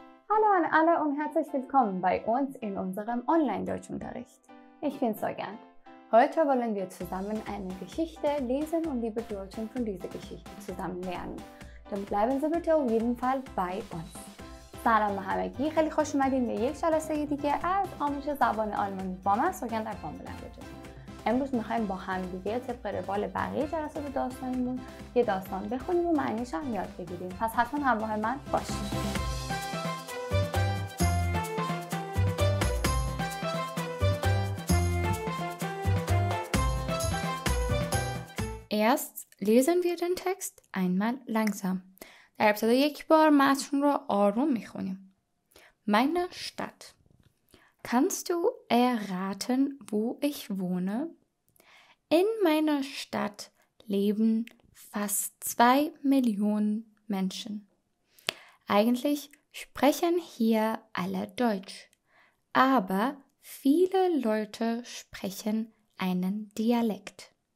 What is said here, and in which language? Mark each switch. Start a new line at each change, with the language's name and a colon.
German: Hallo an alle und herzlich willkommen bei uns in unserem Online-Deutschunterricht. Ich bin Sojan. Heute wollen wir zusammen eine Geschichte lesen und die Bedeutung von dieser Geschichte zusammen lernen. Dann bleiben Sie bitte auf jeden Fall bei uns.
Persian: سلام به همگی خیلی خوش اومدین به یک جلسه دیگه از آموزش زبان آلمانی با من سوگند در کامل انگلیسی امروز میخوایم با هم دیگه طبق روال بقیه جلسات داستانمون یه داستان بخونیم و معنیش هم یاد بگیریم پس حتما همراه من باشید
German: Erst lesen wir den Text einmal langsam.
Persian: در ابتدا یک بار متن رو آروم میخونیم.
German: Meine Stadt. Kannst du erraten, wo ich wohne? In meiner Stadt leben fast 2 Millionen Menschen. Eigentlich sprechen hier alle Deutsch, aber viele Leute sprechen einen Dialekt.